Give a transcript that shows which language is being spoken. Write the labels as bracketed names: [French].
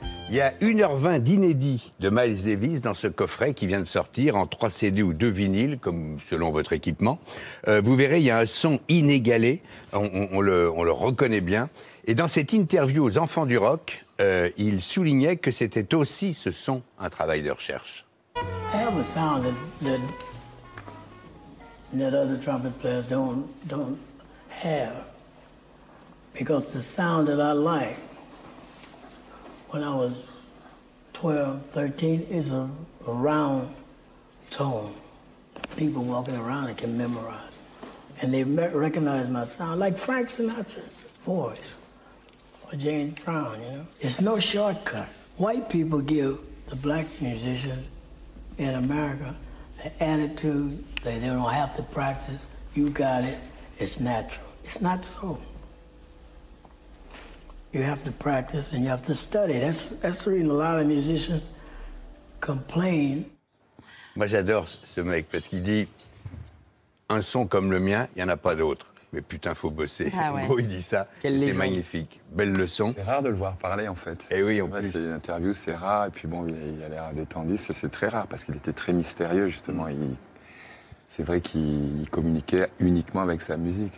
[French] Il y a 1h20 d'inédit de Miles Davis dans ce coffret qui vient de sortir en 3 CD ou 2 vinyles, comme selon votre équipement. Vous verrez, il y a un son inégalé, on le reconnaît bien. Et dans cette interview aux Enfants du Rock, il soulignait que c'était aussi ce son un travail de recherche. [English] Have a sound that other trumpet players don't have. Because the sound that I like when I was 12, 13, is a round tone. People walking around can memorize. And they recognize my sound, like Frank Sinatra's voice, or James Brown, you know? It's no shortcut. White people give the black musicians in America the attitude that they don't have to practice. You got it, it's natural. It's not so. You have to practice and you have to study. That's the reason a lot of musicians complain. [French] Moi, j'adore ce mec parce qu'il dit un son comme le mien, il n'y en a pas d'autre. Mais putain, faut bosser. Ah ouais. Il dit ça. C'est magnifique. Belle leçon. C'est rare de le voir parler, en fait. Et oui, en plus. C'est une interview, c'est rare. Et puis bon, il a l'air détendu. C'est très rare parce qu'il était très mystérieux, justement. C'est vrai qu'il communiquait uniquement avec sa musique.